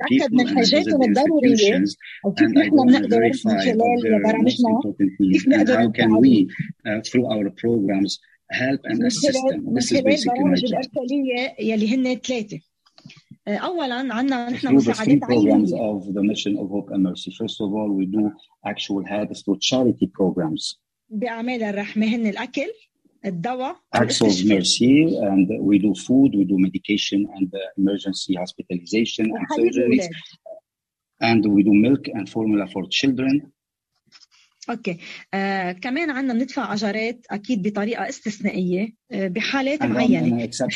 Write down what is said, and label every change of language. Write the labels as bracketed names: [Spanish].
[Arabic] من الحاجات الضرورية وكيف نحن بنقدر من خلال برامجنا كيف نقدر [English] through our programs help and assist them. [Arabic] من خلال برامج الأرسالية يلي هن ثلاثة. أولاً عنا نحن مساعدات [English] programs of the mission of Hope and Mercy. First of all, we do actual help through charity programs. [Arabic] بأعمال الرحمة هن الأكل الدواء. [English] Acts of mercy and we do food, we do medication and emergency hospitalization and surgeries. And we do milk and formula for children. Okay. [Arabic] كمان عنا ندفع أجارات أكيد بطريقة استثنائية بحالات معينة.